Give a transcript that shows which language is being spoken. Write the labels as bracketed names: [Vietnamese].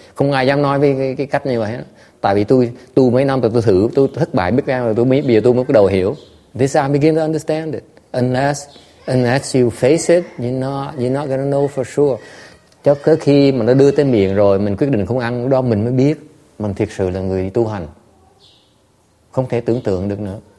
[Vietnamese] Không ai dám nói với cái cách như vậy. Tại vì tôi tu mấy năm rồi, tôi thử, tôi thất bại biết bao, rồi tôi mới, bây giờ tôi mới bắt đầu hiểu. [English] This I begin to understand it. Unless you face it, you're not gonna know for sure. [Vietnamese] Cho tới khi mà nó đưa tới miệng rồi, mình quyết định không ăn, đó mình mới biết mình thiệt sự là người tu hành. Không thể tưởng tượng được nữa.